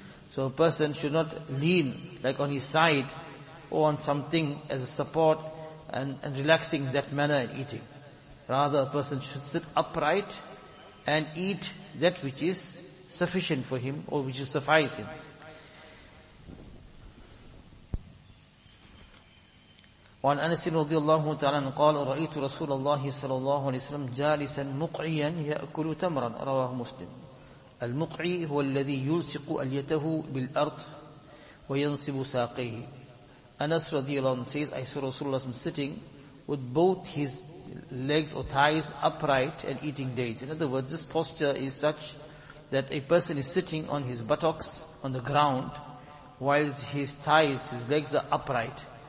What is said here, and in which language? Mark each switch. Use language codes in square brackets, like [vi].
[en] So a person should not lean like on his side or on something as a support and relaxing that manner in eating. Rather, a person should sit upright and eat that which is sufficient for him or which will suffice him. [ar] وعن أنس رضي الله تعالى قال رأيت رسول الله صلى الله عليه وسلم جالسا مقعيا يأكل تمرا. رواه مسلم. المقعي هو الذي يلصق أليته بالأرض وينصب ساقيه. [en] أنس [ar] رضي الله عنه [en] says I saw رسول الله sitting with both his legs or thighs upright and eating dates. In other words, this posture is such that a person is sitting on his buttocks on the ground whilst his thighs, his legs are upright.